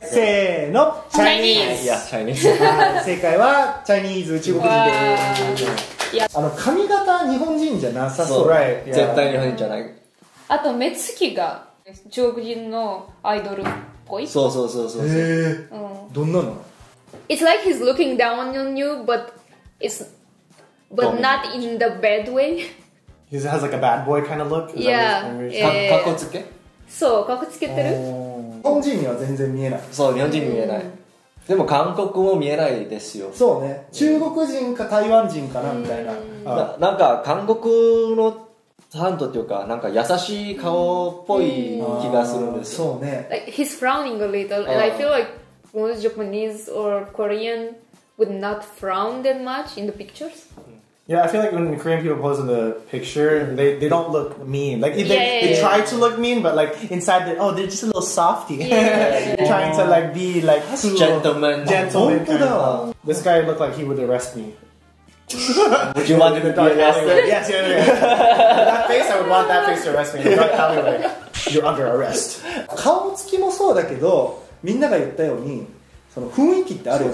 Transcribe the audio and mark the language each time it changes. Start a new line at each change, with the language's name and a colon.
Japanese: せの
English: Chinese. Yeah, Chinese.
Japanese: 正解は Chinese 中国人です。髪型日本人じゃなさそう。絶対日本人じゃない。あと目つきが中国人のアイドルっぽい。そうそうそうそう。へえ。どんなの
English: ？It's like he's looking down on you, but not in the bad way. He has like a bad boy kind of look. Yeah.
Japanese: かっこつけ。そう、かっこつけてる。日本人には全然見えない。そう、日本人見えない。でも韓国も見えないですよ。そうね。中国人か台湾人かなみたいな。なんか韓国のハントっていうか、なんか優しい顔っぽい気がするんですよ。そうね。
English: He's frowning a little, and I feel like most Japanese or Korean would not frown that much in the pictures. Yeah, I feel like when Korean people pose in the picture, they don't look mean. Like, they try to look mean, but like, inside, they're just a little softy. Yeah. Trying to like, be like, gentleman. Gentleman. Kind of. This guy looked like he would arrest me. Would you want him to be arrested? Yes, yeah. That face, I would want that face to arrest me. You're under arrest.
Japanese: 顔つきもそうだけど、みんなが言ったように、その雰囲気ってあるよ。